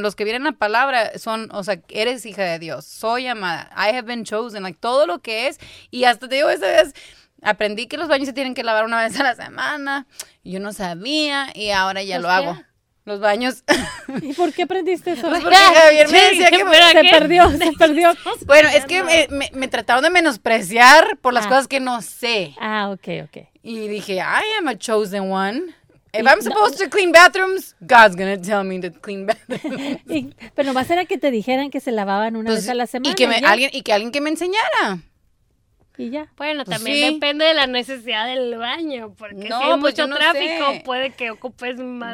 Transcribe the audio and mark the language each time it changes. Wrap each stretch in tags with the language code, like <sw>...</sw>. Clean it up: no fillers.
<es>Los que vienen la palabra son, o sea, eres hija de Dios, soy amada,</es> <en>I have been chosen, like,</en> <es>todo lo que es, y hasta te digo, esa vez, aprendí que los baños se tienen que lavar una vez a la semana. Yo no sabía y ahora ya lo hago. Los baños. ¿Y por qué aprendiste eso? Pues porque Javier me decía que se perdió. Bueno, es que me trataron de menospreciar por las cosas que no sé. Ah, ok. Y dije,</es> <en>I am a chosen one. If I'm supposed to clean bathrooms, God's gonna tell me to clean bathrooms.</en> <es>Pero nomás era que te dijeran que se lavaban una vez a la semana. Y que alguien que me enseñara. Y ya. Bueno, pues también depende de la necesidad del baño, porque si hay mucho tráfico, puede que ocupes más.</es>